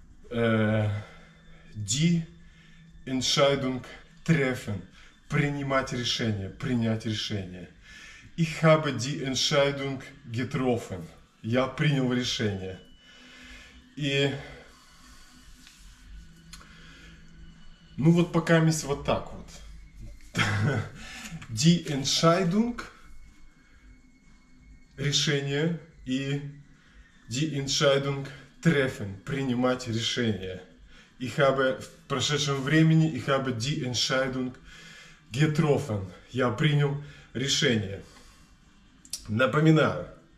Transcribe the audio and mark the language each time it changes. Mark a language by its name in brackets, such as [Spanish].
[German] Die Entscheidung treffen. [Russian] Принимать решение, принять решение. [German] Ich habe die Entscheidung getroffen. [Russian] Я принял решение. И... Ну вот пока мисс вот так вот. [German] Die Entscheidung. [Russian] Решение. И [German] Die Entscheidung treffen. [Russian] Принимать решение. [German] Ich habe [Russian] в прошедшем времени. [German] Ich habe die Entscheidung getroffen. [Russian] Я принял решение. Напоминаю.